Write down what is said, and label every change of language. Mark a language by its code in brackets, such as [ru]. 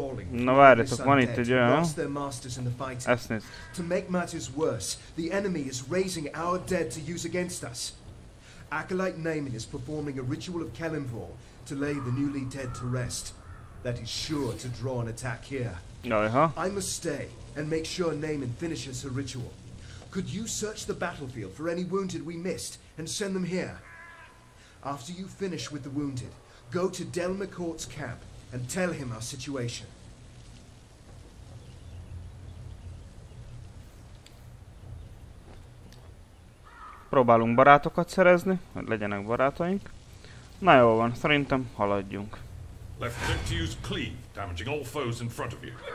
[hu] Na várjatok, van itt egy olyan. Ezt nézd. [en] To make matters worse, the enemy is raising our dead to use against us. Acolyte Naaman is performing a ritual of Kelimvor to lay the newly dead to rest. That is sure to draw an attack here. Aha. I must stay and make sure Naaman finishes her ritual. Could you search the battlefield for any wounded we missed and send them here? After you finish with the wounded, go to Delmacourt's camp and tell him our situation. [hu] Próbálunk barátokat szerezni, hogy legyenek barátaink. Na jó van, szerintem haladjunk. [en] Left click to use cleave, damaging all foes in front of you.